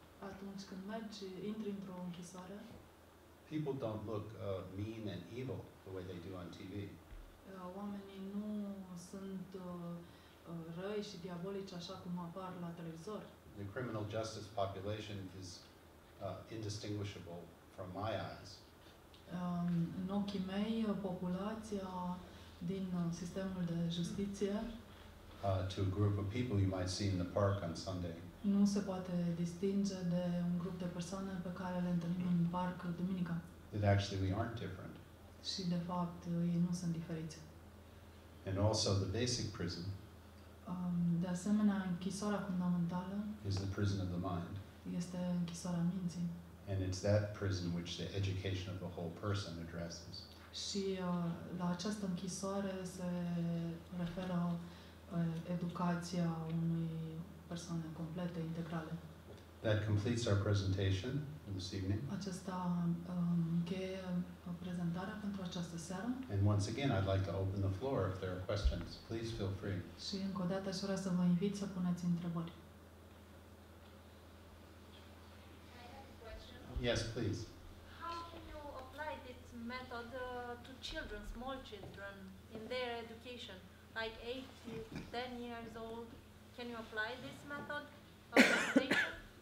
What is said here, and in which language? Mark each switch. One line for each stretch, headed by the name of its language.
Romanian: Atunci când mergi, intri într-o închisoare.
English: People don't look mean and evil the way they do on TV.
Romanian: Oamenii nu sunt răi și diabolici așa cum apar la televizor.
English: The criminal justice population is indistinguishable from my eyes.
Romanian: În ochii mei, populația din sistemul de justiție
English: To a group of people you might see in the park on Sunday.
Romanian: Nu se poate distinge de un grup de persoane pe care le întâlnim în parc duminica.
English: That actually we aren't different.
Romanian: Și de fapt ei nu sunt diferiți.
English: And also the basic prison.
Romanian: De asemenea, închisoarea fundamentală.
English: Is the prison of the mind.
Romanian: Este închisoarea minții.
English: And it's that prison which the education of the whole person addresses.
Romanian: Și la această închisoare se referă educația unui persoane complete, integrale.
English: That completes our presentation this evening.
Romanian: Aceasta încheie prezentarea pentru această seară.
English: And once again, I'd like to open the floor if there are questions. Please feel free.
Romanian: Și încă o dată aș vrea să vă invit să puneți întrebări.
English: I have a question. Yes, please. How can you apply this method to children, small children, in their education? Like 8 to 10 years old, can you apply this method of meditation?